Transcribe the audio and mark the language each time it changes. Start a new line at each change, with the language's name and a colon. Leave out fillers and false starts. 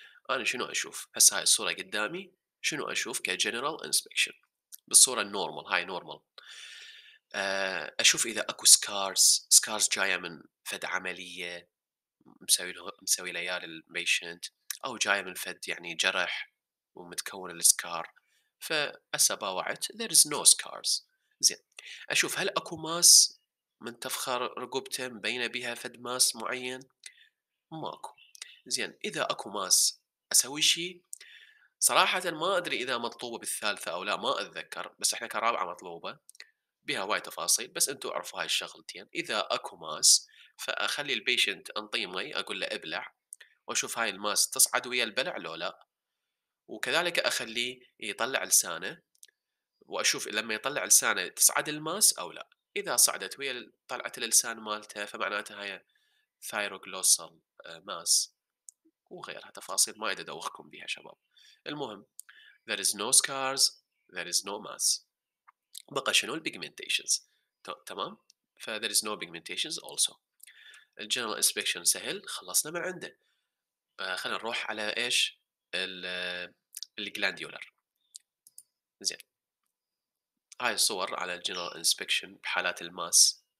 Arabic: انا شنو اشوف هسه؟ هاي الصوره قدامي، شنو اشوف كجنرال انسبكشن بالصوره النورمال؟ هاي نورمال. اشوف اذا اكو سكارز جايه من فد عمليه مسوي ليال البيشنت، او جايه من فد يعني جرح ومتكون السكار. فهسه باوعت
English: there is no scars.
Arabic: زين، اشوف هل اكو ماس منتفخه رقبته مبينه بها فد ماس معين؟ ماكو. زين، اذا اكو ماس اسوي شيء؟ صراحه ما ادري اذا مطلوبه بالثالثه او لا، ما اتذكر، بس احنا كرابعه مطلوبه بها واي تفاصيل، بس انتم اعرفوا هاي الشغلتين. اذا اكو ماس فاخلي البيشنت انطيه مي، اقول له ابلع واشوف هاي الماس تصعد ويا البلع لو لا، وكذلك اخليه يطلع لسانه واشوف لما يطلع لسانه تصعد الماس او لا. اذا صعدت ويا طلعت اللسان مالته فمعناتها هاي thyroglossal mass وغيرها تفاصيل ما ادوخكم بها شباب. المهم
English: there is no scars, there is no mass.
Arabic: بقى شنو البيجمنتيشنز؟ تمام، ف
English: there is no pigmentations also.
Arabic: الجنرال انسبكشن سهل، خلصنا من عنده. خلينا نروح على ايش؟ الجلانديولر. زين، هاي الصور على الجنرال انسبكشن بحالات الماس.